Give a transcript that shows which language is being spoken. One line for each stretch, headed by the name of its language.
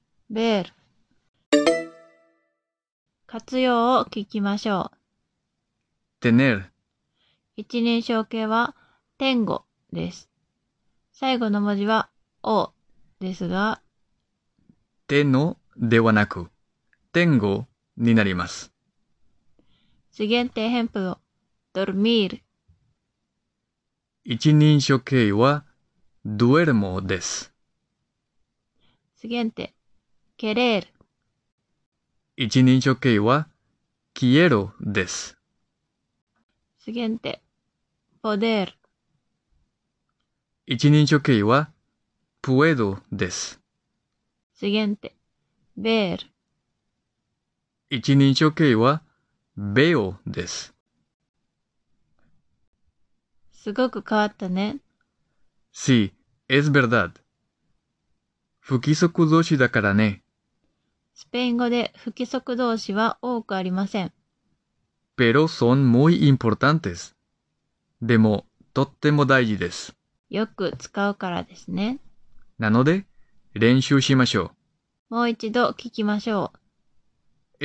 Japanese: ver 活用を聞きましょう
Spanish: tener
Japanese: 一人称形は tengo です最後の文字は o ですが te のではなく tengo になります
Spanish: siguiente ejemplo dormir
Japanese: 一人称形は duermo です。
Spanish: siguiente querer
Japanese: 一人称形は quiero です。
Spanish: siguiente poder
Japanese: 一人称形は puedo です。
Spanish: siguiente ver
Japanese: 一人称形は veo です。すごく変わったね。
Spanish: Sí, es verdad.
Japanese: 不規則動詞だからね。スペイン語で不規則動詞は多くありません。
Spanish: Pero son muy importantes.
Japanese: でも、とっても大事です。よく使うからですね。なので、練習しましょう。もう一度聞きましょう。